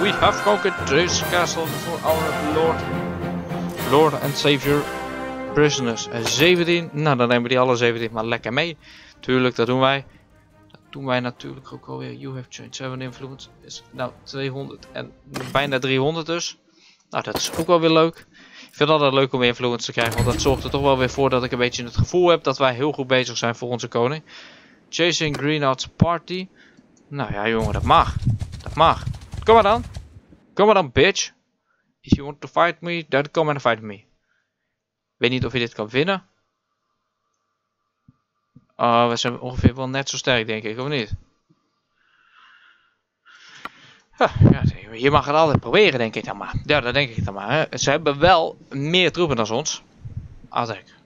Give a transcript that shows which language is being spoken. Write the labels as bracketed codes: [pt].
[en] We have conquered this castle for our Lord and Savior prisoners. [nl] 17, nou dan nemen we die alle 17 maar lekker mee. Tuurlijk, dat doen wij. Dat doen wij natuurlijk ook alweer. [en] You have changed 7 influence. [nl] Is nou 200 en bijna 300 dus. Nou, dat is ook wel weer leuk. Ik vind het altijd leuk om influence te krijgen, want dat zorgt er toch wel weer voor dat ik een beetje het gevoel heb dat wij heel goed bezig zijn voor onze koning. [en] Chasing Greenheart's party. [nl] Nou ja, jongen, dat mag. Dat mag. Kom maar dan. Kom maar dan, bitch. [en] If you want to fight me, then come and fight me. [nl] Weet niet of je dit kan winnen. We zijn ongeveer wel net zo sterk, denk ik, of niet? Ja, je mag het altijd proberen, denk ik dan maar. Ja, dat denk ik dan maar. Hè. Ze hebben wel meer troepen dan ons. Altijd.